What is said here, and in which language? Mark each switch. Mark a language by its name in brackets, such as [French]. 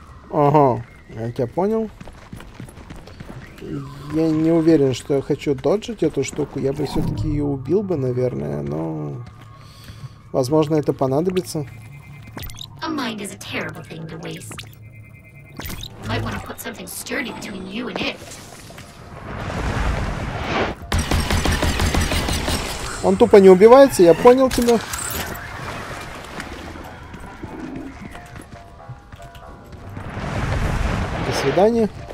[Russian] Ага, я тебя понял. Я не уверен, что я хочу доджить эту штуку. Я бы все-таки ее убил бы, наверное, но... Возможно, это понадобится. [English] A mind is a terrible thing to waste. Might want to put something sturdy between you and it. [Russian] Он тупо не убивается, я понял тебя. До свидания.